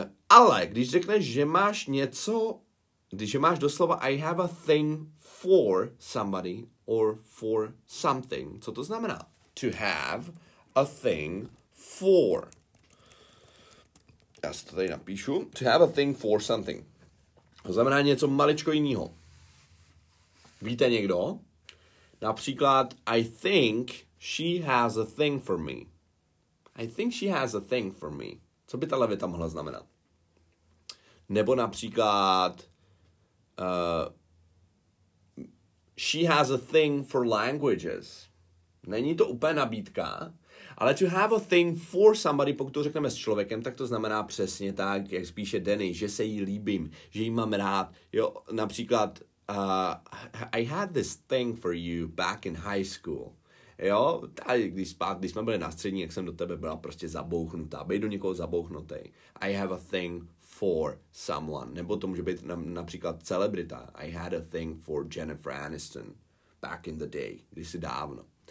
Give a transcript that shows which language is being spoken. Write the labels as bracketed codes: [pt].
[cs] Ale, když řekneš, že máš něco, když máš doslova [en] I have a thing for somebody or for something. [cs] Co to znamená? [en] To have a thing for. [cs] Já si to tady napíšu. [en] To have a thing for something. [cs] To znamená něco maličko jiného. Víte někdo? [en] Například I think she has a thing for me. I think she has a thing for me. [cs] Co by ta věta mohla znamenat? [en] nebo například she has a thing for languages. [cs] Není to úplně nabídka, ale [en] to have a thing for somebody, [cs] pokud to řekneme s člověkem, tak to znamená přesně tak, jak spíše Denny, že se jí líbím, že jí mám rád. [en] Jo, například I had this thing for you back in high school. [cs] Jo, tady když jsme byli na střední, jak jsem do tebe byla prostě zabouchnutá, bej do někoho zabouchnutý. [en] I have a thing for someone. [cs] Nebo to může být například celebrita. [en] I had a thing for Jennifer Aniston back in the day, [cs] kdysi dávno.